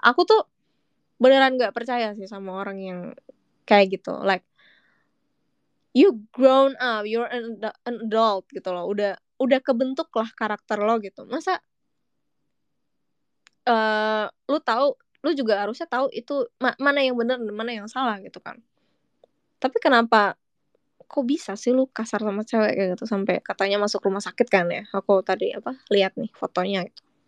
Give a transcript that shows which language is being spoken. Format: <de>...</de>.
<id>Aku tuh beneran nggak percaya sih sama orang yang kayak gitu.</id> <en>Like you grown up, you're an adult</en> <id>gitu loh. Udah kebentuk lah karakter lo gitu. Masa lu tahu, lu juga harusnya tahu itu mana yang benar dan mana yang salah gitu kan. Tapi kenapa, kok bisa sih lu kasar sama cewek kayak gitu sampai katanya masuk rumah sakit kan ya? Aku tadi apa lihat nih fotonya gitu.</id>